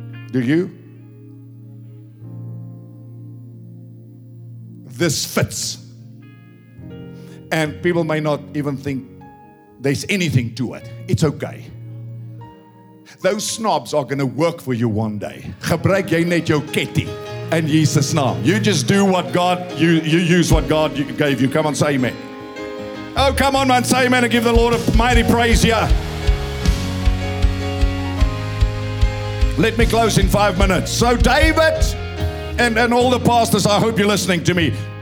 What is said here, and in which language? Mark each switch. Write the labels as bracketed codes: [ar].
[en] Do you? This fits. And people may not even think there's anything to it. It's okay. Those snobs are going to work for you one day. [af] Gebruik jy net jou ketty [en] in Jesus' name. You just do what God, you use what God gave you. Come on, say amen. Oh, come on, man, say amen and give the Lord a mighty praise here. Let me close in 5 minutes. So David and all the pastors, I hope you're listening to me.